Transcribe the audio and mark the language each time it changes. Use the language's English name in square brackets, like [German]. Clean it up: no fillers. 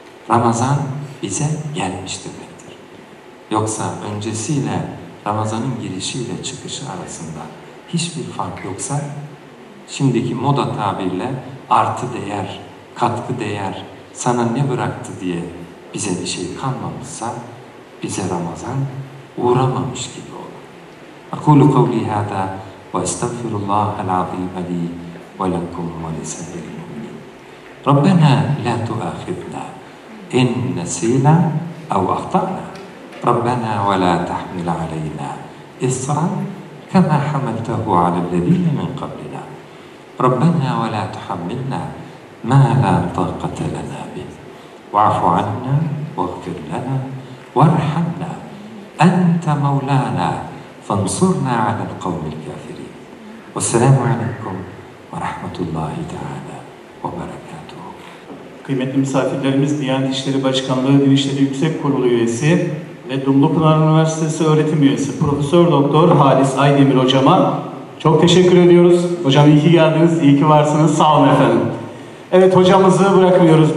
[Turkish] Ramazan bize gelmiş demektir. Yoksa öncesiyle Ramazan'ın girişiyle çıkışı arasında hiçbir fark yoksa, şimdiki moda tabirle artı değer, katkı değer, sana ne bıraktı diye bize bir şey kalmamışsa, bize Ramazan uğramamış gibi olur. [Arabic] أَقُولُ قَوْلِي هَذَا وَاَسْتَغْفِرُ اللّٰهَ الْعَظِيمَ لِي وَلَكُمْ وَلِسَائِرِ الْمُؤْمِنِينَ رَبَّنَا لَا تُؤَاخِذْنَا إِن نَّسِينَا أَوْ أَخْطَأْنَا رَبَّنَا وَلَا تَحْمِلْ عَلَيْنَا إِصْرًا كَمَا حَمَلْتَهُ عَلَى الَّذِينَ مِن قَبْلِنَا رَبَّنَا وَلَا تُحَمِّلْنَا مَا لَا طَاقَةَ لَنَا بِهِ وَاعْفُ عَنَّا وَاغْفِرْ لَنَا وَارْحَمْنَا أَنتَ مَوْلَانَا فَانصُرْنَا عَلَى الْقَوْمِ الْكَافِرِينَ وَالسَّلَامُ عَلَيْكُمْ Rahmetullahi Teala ve Berekatuhu. [Turkish] Kıymetli misafirlerimiz, Diyanet İşleri Başkanlığı Dinişleri Yüksek Kurulu Üyesi ve Dumlu Pınar Üniversitesi öğretim üyesi Profesör Doktor Halis Aydemir hocama çok teşekkür ediyoruz. Hocam iyi ki geldiniz, iyi ki varsınız. Sağ olun efendim. Evet, hocamızı bırakmıyoruz.